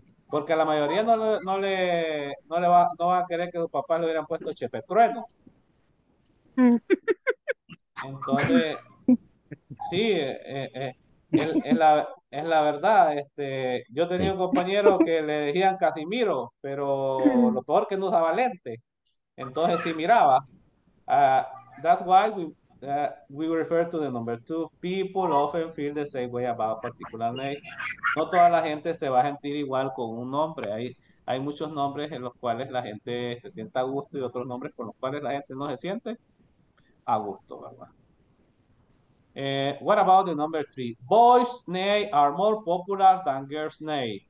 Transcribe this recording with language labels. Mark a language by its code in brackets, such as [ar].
[es] Porque la mayoría no va a querer que su papá le hubieran puesto Chepe Trueno. Entonces, sí, es la verdad. Yo tenía un compañero que le decían Casimiro, pero lo peor que no usaba lente. Entonces, sí miraba. [en] That's why we refer to the number two. People often feel the same way about a particular name. [es] No toda la gente se va a sentir igual con un nombre. Hay muchos nombres en los cuales la gente se siente a gusto y otros nombres con los cuales la gente no se siente a gusto, ¿verdad? [en] What about the number three? Boys' names are more popular than girls' names.